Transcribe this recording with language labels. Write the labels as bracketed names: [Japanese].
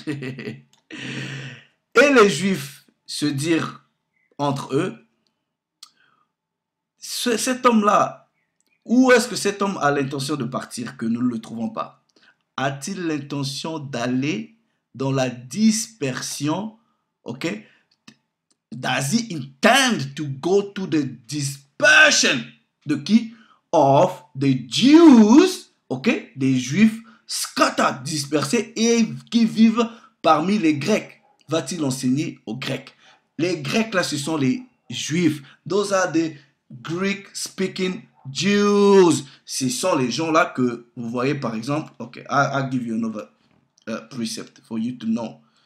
[French] Et les Juifs se dirent entre eux, cet homme-là, où est-ce que cet homme a l'intention de partir que nous ne le trouvons pas? A-t-il l'intention d'aller dans la dispersion? Ok? [English] Does he intend to go to the dispersion? [French] De qui? [English] Of the Jews, ok? [French] Des Juifs scattered, dispersés et qui vivent parmi les Grecs. Va-t-il enseigner aux Grecs? Les Grecs, là, ce sont les Juifs. [English] Those are the Greek-speaking Jews. [French] Ce sont les gens-là que vous voyez, par exemple. [English] OK, I'll give you another precept for you to know.